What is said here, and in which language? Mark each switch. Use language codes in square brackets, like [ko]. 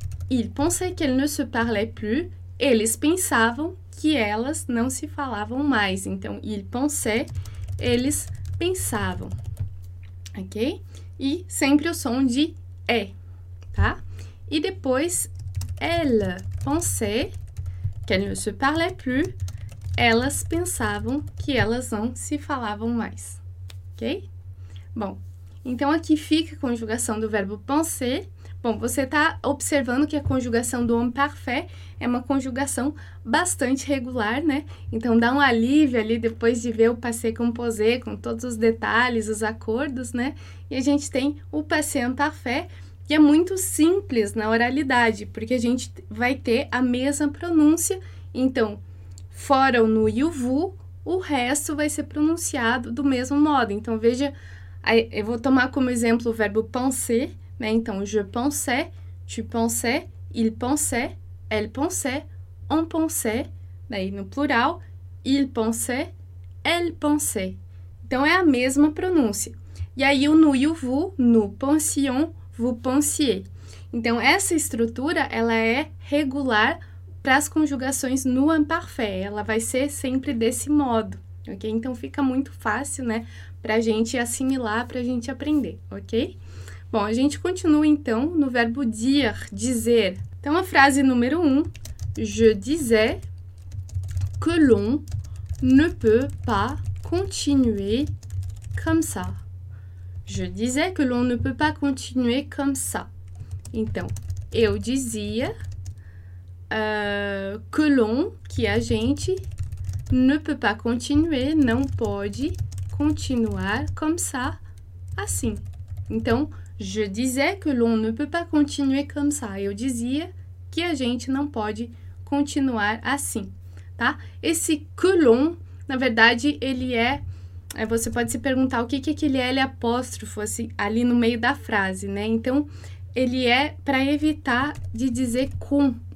[fr] Il pensait qu'elle ne se parlait plus. [pt] Eles pensavam que elas não se falavam mais. Então, [fr] il pensait, [pt] eles pensavam. Ok? E sempre o som de é, tá? E depois, [fr] elle pensait qu'elle ne se parlait plus. [pt] Elas pensavam que elas não se falavam mais. Ok? Bom, então aqui fica a conjugação do verbo penser. Bom, você está observando que a conjugação do homem parfait é uma conjugação bastante regular, né? Então, dá um alívio ali depois de ver o passé composé com todos os detalhes, os acordos, né? E a gente tem o passé imparfait, que é muito simples na oralidade, porque a gente vai ter a mesma pronúncia. Então, fora o nu e o vu, o resto vai ser pronunciado do mesmo modo. Então, veja, eu vou tomar como exemplo o verbo penser. Né? Então, [fr] je pensais, tu pensais, il pensait, elle pensait, on pensait. [pt] Daí, no plural, [fr] il pensait, elle pensait. [pt] Então, é a mesma pronúncia. E aí, o nous e o vous, [fr] nous pensions, vous pensiez. [pt] Então, essa estrutura, ela é regular para as conjugações no imparfait. Ela vai ser sempre desse modo, ok? Então, fica muito fácil, né, para a gente assimilar, para a gente aprender, ok? Bom, a gente continua então no verbo dire, dizer. Então, a frase número 1. [fr] Je disais que l'on ne peut pas continuer comme ça. Je disais que l'on ne peut pas continuer comme ça. [pt] Então, eu dizia [fr] que l'on, [pt] que a gente, [fr] ne peut pas continuer, [pt] não pode continuar [fr] comme ça, [pt] assim. Então, [fr] je disais que l'on ne peut pas continuer comme ça. [pt] Eu dizia que a gente não pode continuar assim, tá? Esse [fr] que l'on, [pt] na verdade, ele é... Você pode se perguntar o que que aquele L apóstrofo assim, ali no meio da frase, né? Então, ele é para evitar de dizer com.